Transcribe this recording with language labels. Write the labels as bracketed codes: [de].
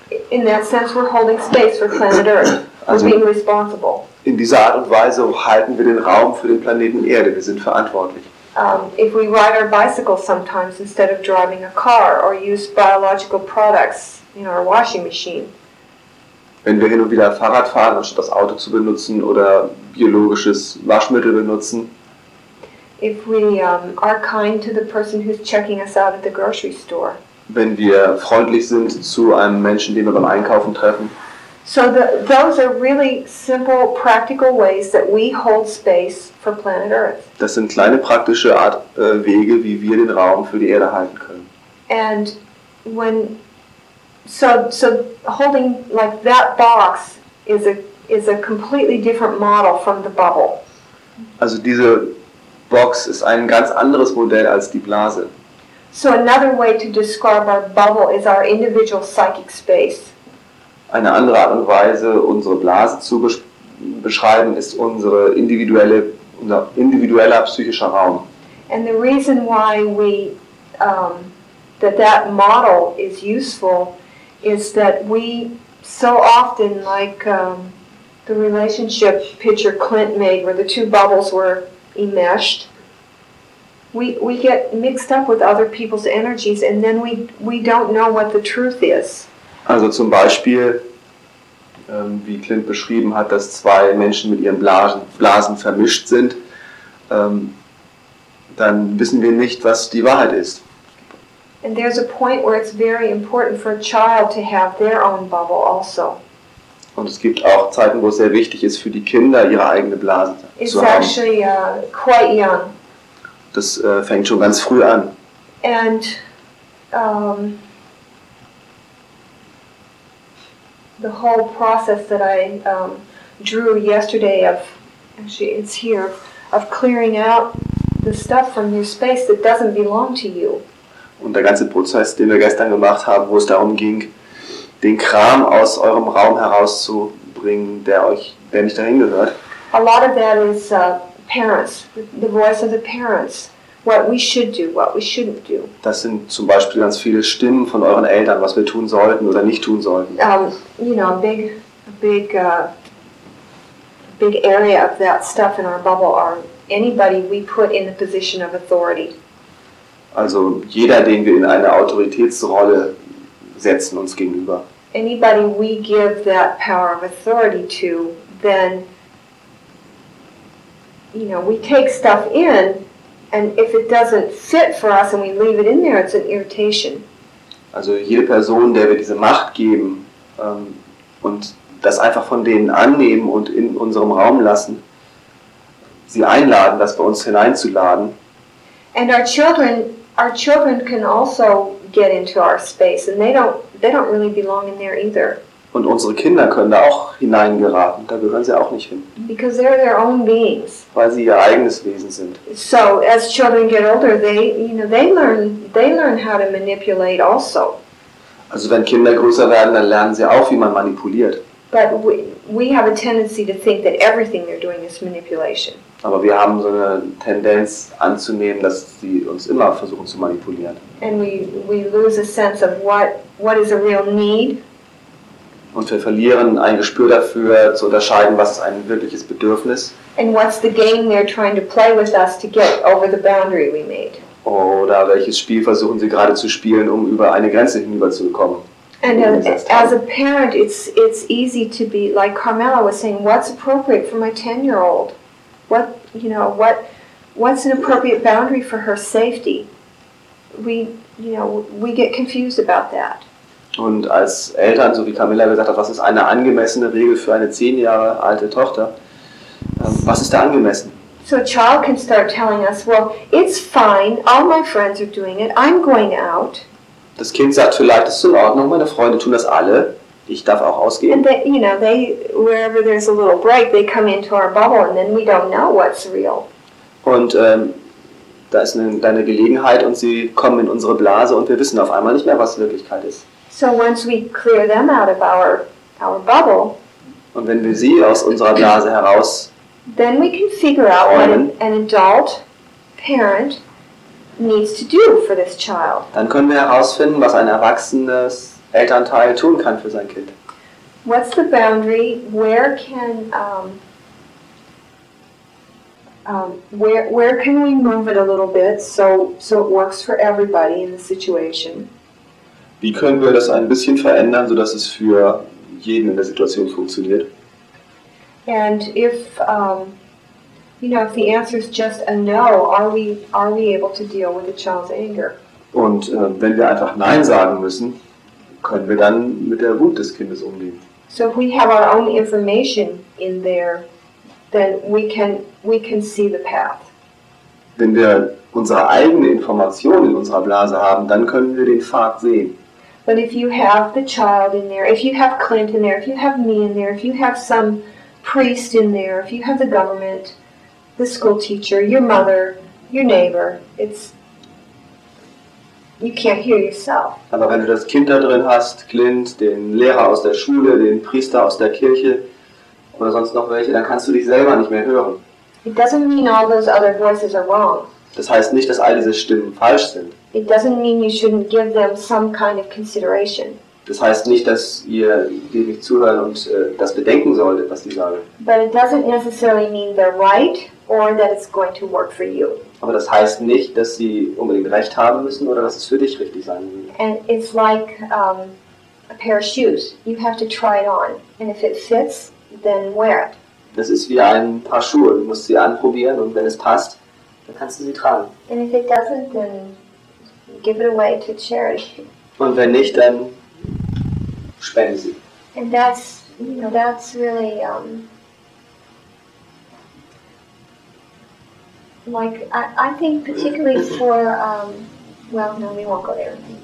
[en] In that sense, we're holding space for planet Earth. Also, we're being responsible. [de] In dieser Art und Weise halten wir den Raum für den Planeten Erde. Wir sind verantwortlich. [en] If we ride our bicycle sometimes instead of driving a car or use biological products in our washing machine. [de] Wenn wir hin und wieder Fahrrad fahren, anstatt das Auto zu benutzen oder biologisches Waschmittel benutzen. [en] If we are kind to the person who's checking us out at the grocery store. [de] Wenn wir freundlich sind zu einem Menschen, den wir beim Einkaufen treffen. [en] So those are really simple, practical ways that we hold space for planet Earth. [de] Das sind kleine praktische Art Wege, wie wir den Raum für die Erde halten können. [en] And when so holding like that box is a completely different model from the bubble. [de] Also diese Box ist ein ganz anderes Modell als die Blase. [en] So another way to describe our bubble is our individual psychic space. [de] Eine andere Art und Weise, unsere Blase zu beschreiben, ist unser individueller psychischer Raum. [en] And the reason why we that model is useful is that we so often, like the relationship picture Clint made, where the two bubbles were enmeshed. We get mixed up with other people's energies and then we don't know what the truth is. [de] Also zum Beispiel, wie Clint beschrieben hat, dass zwei Menschen mit ihren Blasen vermischt sind, dann wissen wir nicht, was die Wahrheit ist. [en] And there's a point where it's very important for a child to have their own bubble also. [de] Und es gibt auch Zeiten, wo es sehr wichtig ist für die Kinder, ihre eigene Blase zu haben. [en] It's actually quite young. [de] Das fängt schon ganz früh an. [en] And the whole process that I drew yesterday of, actually it's here, of clearing out the stuff from your space that doesn't belong to you. [de] Und der ganze Prozess, den wir gestern gemacht haben, wo es darum ging, den Kram aus eurem Raum herauszubringen, der nicht dahin gehört. [en] A lot of that is parents, the voice of the parents. What we should do, what we shouldn't do. [de] Das sind zum Beispiel ganz viele Stimmen von euren Eltern, was wir tun sollten oder nicht tun sollten. [en] You know, a big area of that stuff in our bubble are anybody we put in the position of authority. [de] Also jeder, den wir in eine Autoritätsrolle setzen uns gegenüber. [en] Anybody we give that power of authority to, then, you know, we take stuff in. And if it doesn't fit for us and we leave it in there, it's an irritation. [de] Also jede Person, der wir diese Macht geben und das einfach von denen annehmen und in unserem Raum lassen, sie einladen, das bei uns hineinzuladen. [en] And our children can also get into our space and they don't really belong in there either. [de] Und unsere Kinder können da auch hineingeraten. Da gehören sie auch nicht hin. [en] Because they're their own beings. [de] Weil sie ihr eigenes Wesen sind. [en] So as children get older, they learn how to manipulate also. [de] Also wenn Kinder größer werden, dann lernen sie auch, wie man manipuliert. [en] But we have a tendency to think that everything they're doing is manipulation. [de] Aber wir haben so eine Tendenz anzunehmen, dass sie uns immer versuchen zu manipulieren. [en] And we lose a sense of what is a real need. [de] Und wir verlieren ein Gespür dafür, zu unterscheiden, was ein wirkliches Bedürfnis ist. Oder welches Spiel versuchen sie gerade zu spielen, um über eine Grenze hinüberzukommen. [en] And as a parent, it's easy to be, like Carmela was saying, what's appropriate for my 10-year-old? what's an appropriate boundary for her safety? We get confused about that. [de] Und als Eltern, so wie Camilla gesagt hat, was ist eine angemessene Regel für eine 10 Jahre alte Tochter? Was ist da angemessen? [en] So a child can start telling us, well, it's fine, all my friends are doing it, I'm going out. [de] Das Kind sagt vielleicht, es ist in Ordnung, meine Freunde tun das alle, ich darf auch ausgehen. [en] And they, you know, they, wherever there's a little break, they come into our bubble and then we don't know what's real. [de] Und da ist eine Gelegenheit und sie kommen in unsere Blase und wir wissen auf einmal nicht mehr, was Wirklichkeit ist. [en] So once we clear them out of our bubble, [de] und wenn wir sie aus unserer Blase heraus, [en] then we can figure out what an adult parent needs to do for this child. [de] Dann können wir herausfinden, was ein erwachsenes Elternteil tun kann für sein Kind. [en] What's the boundary? Where can we move it a little bit so it works for everybody in the situation? [de] Wie können wir das ein bisschen verändern, so dass es für jeden in der Situation funktioniert? [en] And if if the answer is just a no, are we able to deal with the child's anger? [de] Und wenn wir einfach Nein sagen müssen, können wir dann mit der Wut des Kindes umgehen? [en] So if we have our own information in there, then we can see the path. [de] Wenn wir unsere eigene Information in unserer Blase haben, dann können wir den Pfad sehen. [en] But if you have the child in there, if you have Clint in there, if you have me in there, if you have some priest in there, if you have the government, the school teacher, your mother, your neighbor, it's, you can't hear yourself. [de] Aber wenn du das Kind da drin hast, Clint, den Lehrer aus der Schule, den Priester aus der Kirche oder sonst noch welche, dann kannst du dich selber nicht mehr hören. [en] It doesn't mean all those other voices are wrong. [de] Das heißt nicht, dass all diese Stimmen falsch sind. [en] It doesn't mean you shouldn't give them some kind of consideration. [de] Das heißt nicht, dass ihr dem nicht zuhören und das bedenken solltet, was sie sagen. [en] But it doesn't necessarily mean they're right or that it's going to work for you. [de] Aber das heißt nicht, dass sie unbedingt recht haben müssen oder dass es für dich richtig sein wird. [en] And it's like a pair of shoes. You have to try it on. And if it fits, then wear it. [de] Das ist wie ein Paar Schuhe. Du musst sie anprobieren und wenn es passt, dann kannst du sie tragen. [en] And if it doesn't, then give it away to charity. [de] Und wenn nicht, dann spende sie. [en] And that's, that's really like I think particularly for we won't go there.